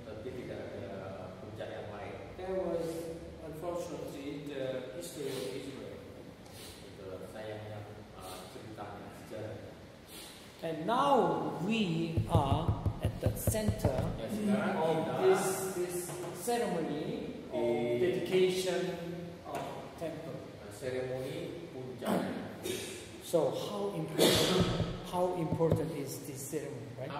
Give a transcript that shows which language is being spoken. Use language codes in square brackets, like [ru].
[id] Tapi tidak ada puncak yang lain. [en] There was, unfortunately, the history of Israel. [id] Sayangnya ceritanya sejarah. [en] And now we are at the center of this ceremony of dedication of temple. [id] Ceremony puncak. [en] So how important is this ceremony, right?